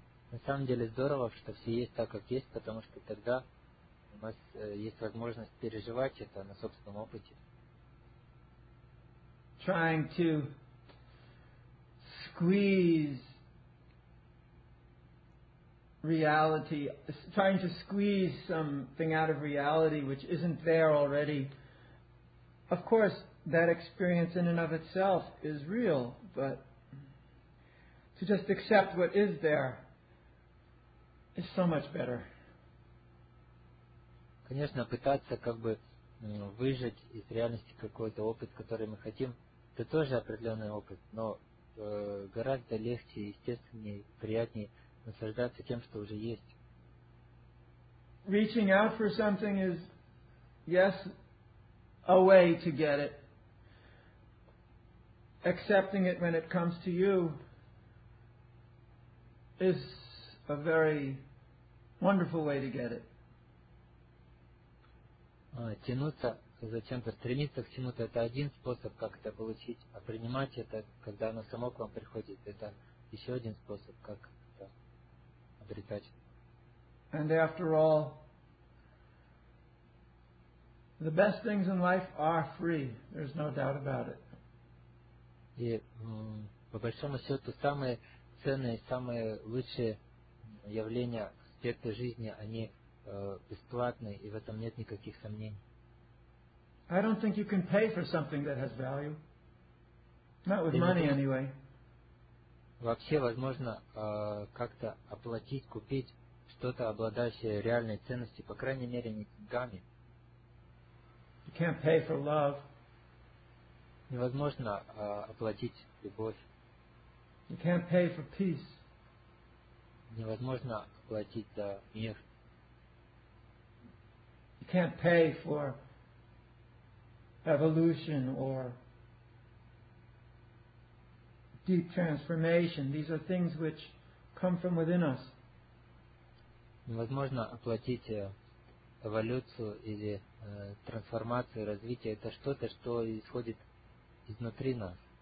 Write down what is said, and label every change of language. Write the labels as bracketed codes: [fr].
[ru] На самом деле здорово, что все есть так, как есть, потому что тогда у нас есть возможность переживать это на собственном опыте. [en] Trying to squeeze reality, trying to squeeze something out of reality which isn't there already. Of course, that experience in and of itself is real, but to just accept what is there is so much better. [ru] Конечно, пытаться как бы выжать из реальности какой-то опыт, который мы хотим, это тоже определенный опыт, но гораздо легче, естественнее, приятнее наслаждаться тем, что уже есть. [en] Reaching out for something is, yes, a way to get it. Accepting it when it comes to you is a very wonderful way to get it. [ru] Тянуться за чем-то, стремиться к чему-то — это один способ, как это получить. А принимать это, когда оно само к вам приходит, это еще один способ, как это обретать. [en] And after all, the best things in life are free. There's no doubt about it. [ru] И по большому счету самые ценные, самые лучшие явления, аспекты жизни, они бесплатны, и в этом нет никаких сомнений. [en] I don't think you can pay for something that has value. Not with money, anyway. [ru] Вообще возможно как-то оплатить, купить что-то, обладающее реальной ценностью, по крайней мере, не деньгами. [en] You can't pay for love. [ru] Невозможно оплатить любовь. [en] You can't pay for peace. [ru] Невозможно оплатить за мир. [en] You can't pay for evolution or deep transformation. These are things which come from within us. [ru] Невозможно оплатить эволюцию или трансформацию, развитие. Это что-то, что исходит изнутри нас.